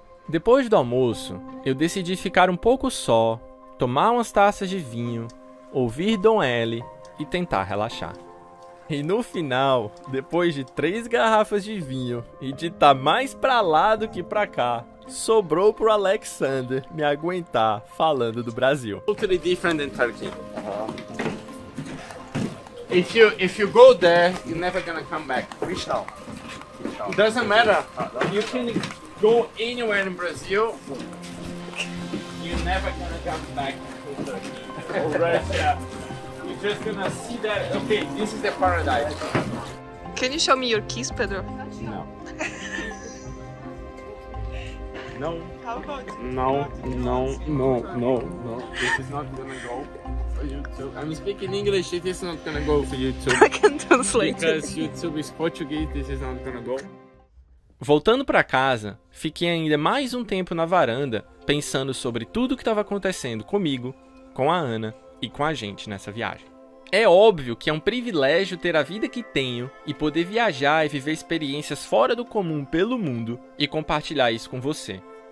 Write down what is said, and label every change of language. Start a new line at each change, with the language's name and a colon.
Portuguese: Depois do almoço, eu decidi ficar um pouco só, tomar umas taças de vinho, ouvir Dom L e tentar relaxar. E no final, depois de 3 garrafas de vinho e de estar mais pra lá do que pra cá, sobrou pro Alexander me aguentar falando do Brasil.
English: Totally different than Turkey. If you go there, you're never gonna come back. Cristal. It doesn't matter. You can go anywhere in Brazil. You're never gonna come back to Russia. You're just gonna see that. Okay, this is the paradise. Can you show me your keys, Pedro? No. No. How about you? No. This is not gonna go. YouTube. I'm speaking English, it is not gonna go for YouTube. I can translate. Because YouTube is Portuguese, this is not gonna go.
Portuguese: Voltando para casa, fiquei ainda mais um tempo na varanda, pensando sobre tudo o que estava acontecendo comigo, com a Ana e com a gente nessa viagem. É óbvio que é um privilégio ter a vida que tenho e poder viajar e viver experiências fora do comum pelo mundo e compartilhar isso com você.